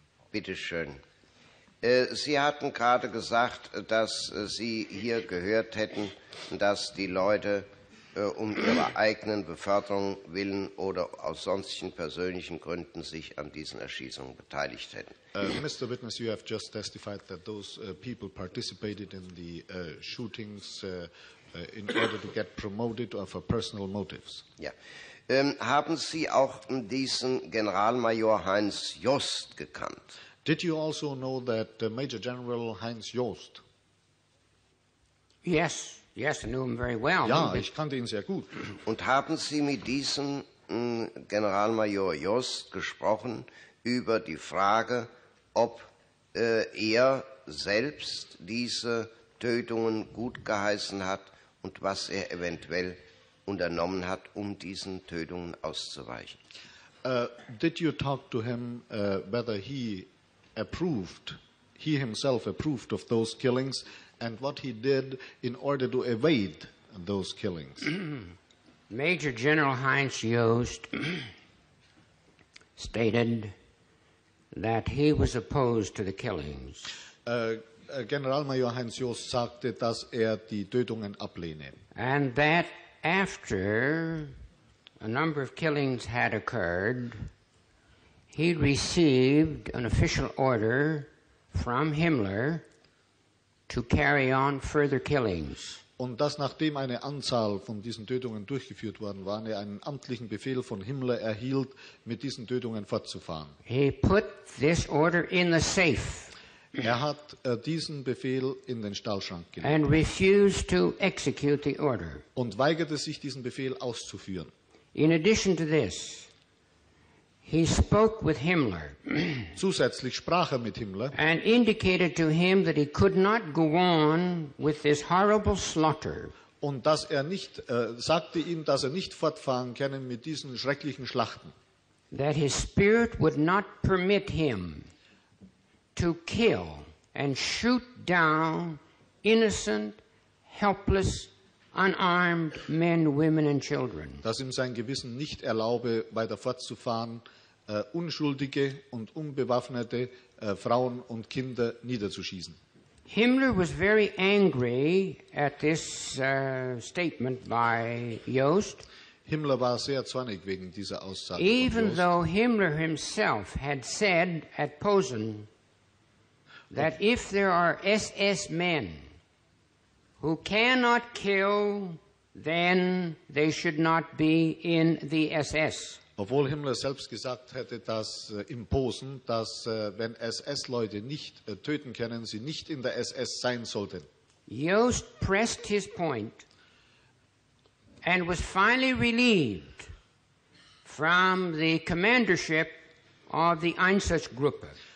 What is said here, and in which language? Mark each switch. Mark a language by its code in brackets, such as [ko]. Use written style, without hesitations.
[de] Bitte schön. Sie hatten gerade gesagt, dass Sie hier gehört hätten, dass die Leute um ihrer eigenen Beförderung willen oder aus sonstigen persönlichen Gründen sich an diesen Erschießungen beteiligt hätten. [en] Mr. Witness, you have just testified that those people participated in the shootings in order to get promoted or for personal motives. [de] Ja. Haben Sie auch diesen Generalmajor Heinz Jost gekannt? [en] Did you also know that Major General Heinz Jost? Yes. Yes, I knew him very well. [de] Ja, ich kannte ihn sehr gut. Und haben Sie mit diesem Generalmajor Jost gesprochen über die Frage, ob er selbst diese Tötungen gutgeheißen hat und was er eventuell unternommen hat, um diesen Tötungen auszuweichen. [en] Did you talk to him whether he approved, he himself approved of those killings and what he did in order to evade those killings? Major General Heinz Joost stated that he was opposed to the killings. [de] Generalmajor Heinz Joost sagte, dass die Tötungen ablehne. [en] And that after a number of killings had occurred, he received an official order from Himmler to carry on further killings. [de] Und dass nachdem eine Anzahl von diesen Tötungen durchgeführt worden waren, einen amtlichen Befehl von Himmler erhielt, mit diesen Tötungen fortzufahren. [en] He put this order in the safe. [de] Er hat diesen Befehl in den Stahlschrank gelegt. [en] And refused to execute the order. [de] Und weigerte sich, diesen Befehl auszuführen. [en] In addition to this, he spoke with Himmler. [de] Zusätzlich sprach mit Himmler. [en] And indicated to him that he could not go on with this horrible slaughter. [de] Und dass nicht sagte ihm, dass nicht fortfahren könne mit diesen schrecklichen Schlachten. [en] That his spirit would not permit him to kill and shoot down innocent, helpless, unarmed men, women and children. [de] Dass ihm sein Gewissen nicht erlaube, weiter fortzufahren, unschuldige und unbewaffnete Frauen und Kinder niederzuschießen. [en] Himmler was very angry at this statement by Joost. [de] Himmler war sehr zornig wegen dieser Aussage. [en] Even though Himmler himself had said at Posen that if there are SS men who cannot kill, then they should not be in the SS. [de] Obwohl Himmler selbst gesagt hätte, dass in Posen, dass wenn SS-Leute nicht töten können, sie nicht in der SS sein sollten. [en] Joost pressed his point and was finally relieved from the commandership of the Einsatzgruppe.